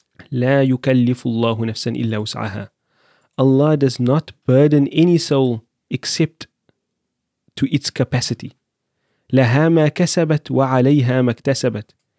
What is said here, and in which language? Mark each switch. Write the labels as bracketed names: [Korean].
[Arabic] لا يكلف الله نفسا إلا وسعها. [English] Allah does not burden any soul except to its capacity. [Arabic] لها ما كسبت وعليها ما اكتسبت.